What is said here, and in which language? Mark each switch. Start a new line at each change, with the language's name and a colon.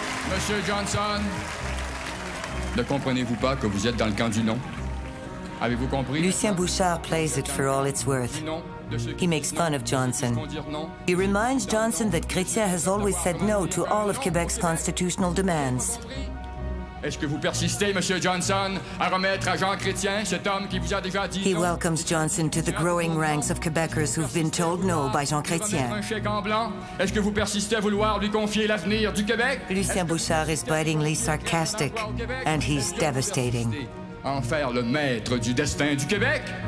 French: Monsieur Johnson, ne comprenez-vous pas que vous êtes dans le camp du non? Avez-vous compris?
English: Lucien Bouchard plays it for all it's worth. He makes fun of Johnson. He reminds Johnson that Chrétien has always said no to all of Quebec's constitutional demands.
French: Est-ce que vous persistez, Monsieur Johnson, à remettre à Jean Chrétien, cet homme qui vous a déjà dit?
English: He welcomes Johnson to the growing ranks of Quebecers who've been told no by Jean Chrétien.
French: Est-ce que vous persistez à vouloir lui confier l'avenir du Québec?
English: Lucien Bouchard is bitingly sarcastic, and he's devastating.
French: En faire le maître du destin du Québec?